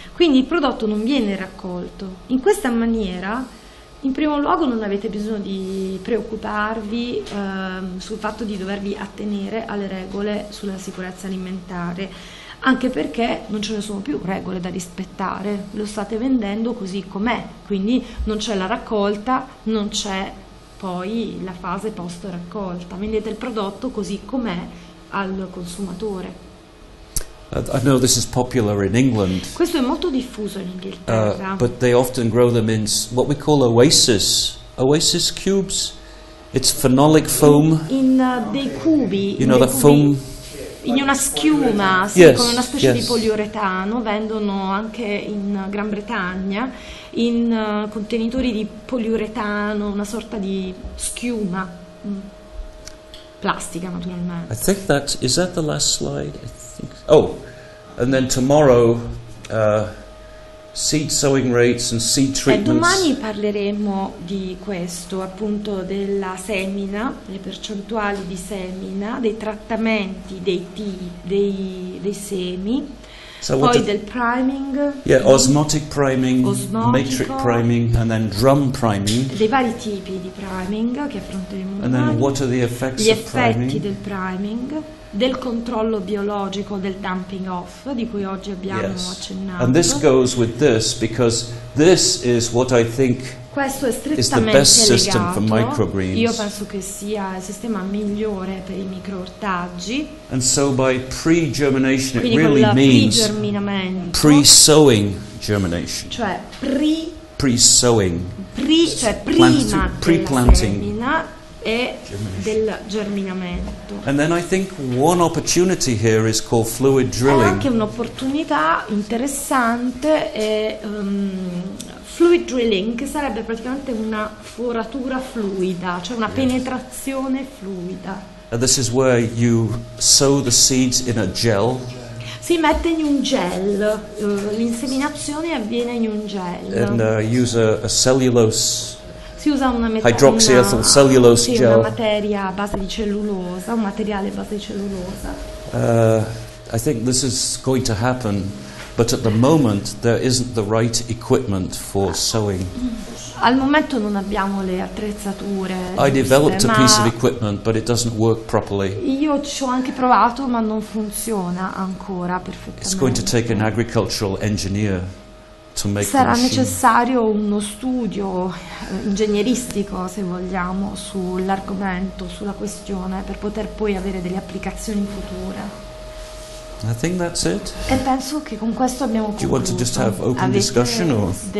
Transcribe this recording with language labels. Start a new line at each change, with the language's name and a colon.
Italian: Quindi il prodotto non viene raccolto. In questa maniera, in primo luogo non avete bisogno di preoccuparvi sul fatto di dovervi attenere alle regole sulla sicurezza alimentare, anche perché non ce ne sono più regole da rispettare, lo state vendendo così com'è, quindi non c'è la raccolta, non c'è poi la fase post raccolta, vendete il prodotto così com'è al consumatore.
English: I know this is popular in England.
Italian: Questo è molto diffuso in Inghilterra.
English: But they often grow them in what we call oasis. Oasis cubes. It's phenolic foam.
Italian: Dei cubi.
English: You know the foam.
Italian: In una schiuma, sì,
English: yes,
Italian: con una specie di poliuretano, vendono anche in Gran Bretagna in contenitori di poliuretano, una sorta di schiuma. Plastica naturalmente.
English: I think that is that the last slide. Oh, and then tomorrow, seed sowing rates and seed treatments.
Italian: E domani parleremo di questo, appunto della semina, le percentuali di semina, dei trattamenti, dei semi, so poi del priming.
English: Yeah, osmotic priming, matrix priming, and then drum priming.
Italian: Dei vari tipi di priming che affronteremo domani.
English: And then what are the effects of priming?
Italian: Del priming. Del controllo biologico, del dumping off, di cui oggi abbiamo accennato.
English: And this goes with this because this is what I think is the best system for microgreens.
Italian: Io penso che sia il sistema migliore per i microortaggi.
English: And so by pre-germination,
Italian: quindi
English: it really means
Italian: pre-germinamento,
English: pre-sowing germination.
Italian: Cioè
English: pre-sowing.
Italian: Cioè prima pre-planting. Della semina e del germinamento.
English: And then I think one opportunity here is called fluid drilling.
Italian: È anche un'opportunità interessante è fluid drilling, che sarebbe praticamente una foratura fluida, cioè una penetrazione fluida.
English: And this is where you sow the seeds in a gel.
Italian: Si mette in un gel, l'inseminazione avviene in un gel.
English: And use a cellulose.
Italian: Si usa una
English: hydroxyethyl cellulose gel.
Italian: Una materia a base di cellulosa, un materiale a base di cellulosa.
English: I think this is going to happen, but at the moment there isn't the right equipment for sowing.
Italian: Al momento non abbiamo le attrezzature.
English: I developed a piece of equipment, but it doesn't work properly.
Italian: Io ci ho anche provato, ma non funziona ancora perfettamente.
English: It's going to take an agricultural engineer.
Italian: Sarà necessario uno studio ingegneristico, se vogliamo, sull'argomento, sulla questione, per poter poi avere delle applicazioni future.
English: I think that's it.
Italian: E penso che con questo abbiamo concluso.
English: Do you want to just have open discussion or?